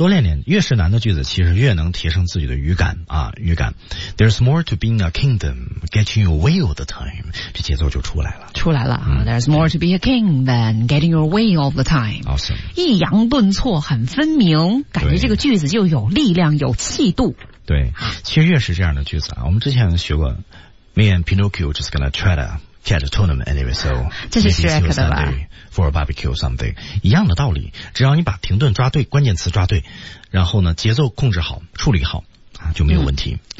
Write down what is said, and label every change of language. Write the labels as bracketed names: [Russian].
[Chinese] 多练练，越是难的句子其实越能提升自己的语感啊，语感。 [English] There's more to being a kingdom, getting your way all the time. [Chinese] 这节奏就出来了。出来了。 [English] 嗯、There's more to be a king than getting your way all the time. Awesome. [Chinese] 抑扬顿挫很分明，感觉这个句子就有力量有气度。对，其实越是这样的句子啊，我们之前学过 [English] Me and Pinocchio just gonna try toCatch a tournament anyway, so [Chinese] 这是 Shrek 的吧 [English] for a barbecue something [Chinese] 一样的道理，只要你把停顿抓对，关键词抓对，然后呢节奏控制好，处理好啊，就没有问题、嗯、